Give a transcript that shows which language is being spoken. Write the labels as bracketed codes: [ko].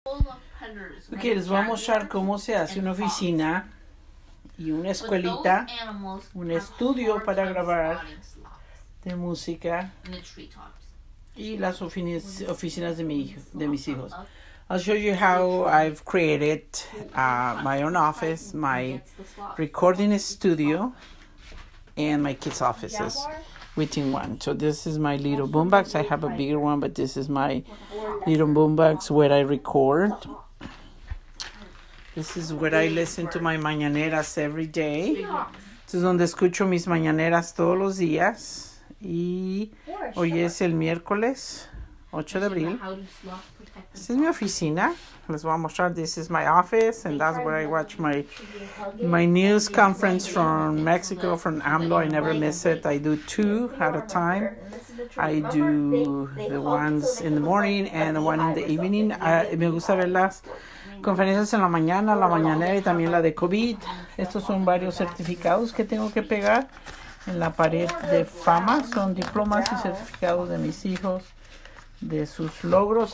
[es] Ok, les voy a mostrar cómo se hace una oficina y una escuelita, un estudio para grabar de música y las oficinas de mis hijos. [en] I'll show you how I've created my own office, my recording studio, and my kids' offices within one. So this is my little boombox. I have a bigger one, but this is my little boombox where I record. This is where I listen to my mañaneras every day. This is [es] donde escucho mis mañaneras todos los días. Y hoy es el miércoles 8 de abril. [en] This is my [es] oficina. Les voy a mostrar. [en] This is my office, and that's where I watch my news conference from Mexico, from AMLO. I never miss it. I do two at a time. I do the ones in the morning and the one in the evening. [es] Me gusta verlas. Conferencias en la mañana, la mañanera y también la de COVID. Estos son varios certificados que tengo que pegar en la pared de fama. Son diplomas y certificados de mis hijos, de sus logros.